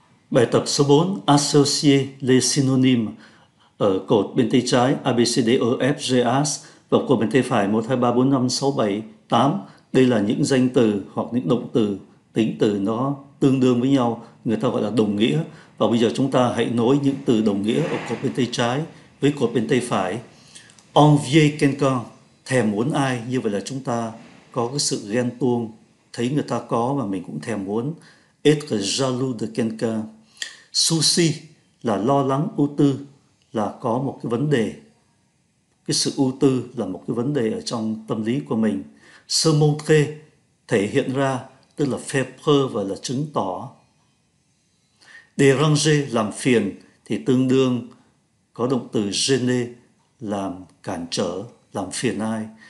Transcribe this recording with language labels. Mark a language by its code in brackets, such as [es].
[vi] Bài tập số 4, [fr] associer les synonymes. [vi] Ở cột bên tay trái A B C D E F G H và cột bên tay phải 1 2 3 4 5 6 7 8, đây là những danh từ hoặc những động từ tính từ nó tương đương với nhau, người ta gọi là đồng nghĩa. Và bây giờ chúng ta hãy nối những từ đồng nghĩa ở cột bên tay trái với cột bên tay phải. [fr] Envier quelqu'un, [vi] thèm muốn ai, như vậy là chúng ta có cái sự ghen tuông, thấy người ta có mà mình cũng thèm muốn. [fr] Être jaloux de quelqu'un. [vi] Souci là lo lắng, ưu tư, là có một cái vấn đề, cái sự ưu tư là một cái vấn đề ở trong tâm lý của mình. [fr] Se montrer, [vi] thể hiện ra, tức là faire preuve và là chứng tỏ. Déranger, làm phiền, thì tương đương có động từ gêner, làm cản trở, làm phiền ai.